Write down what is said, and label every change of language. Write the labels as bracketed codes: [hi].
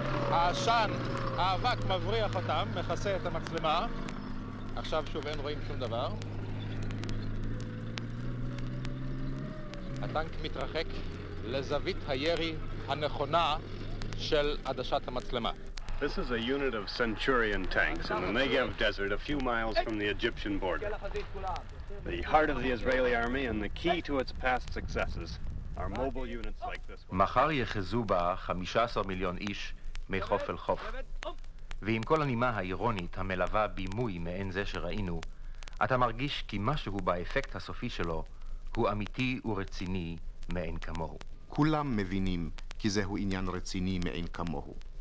[he] האשן, האבק מבריח אותם, מכסה את המצלמה. עכשיו שוב אין רואים שום דבר. הטנק מתרחק לזווית הירי הנכונה של עדשת המצלמה. [en] This is a unit of Centurion tanks in the Negev Desert, a few miles from the Egyptian border. The heart of the Israeli army and the key to its past successes are mobile units like this one. [he] מחר יחזו בה 15 מיליון איש מחוף אל חוף. ועם כל הנימה האירונית המלווה בימוי מעין זה שראינו, אתה מרגיש כי משהו באפקט הסופי שלו הוא אמיתי ורציני מעין כמוהו. כולם מבינים כי זהו עניין רציני מעין כמוהו.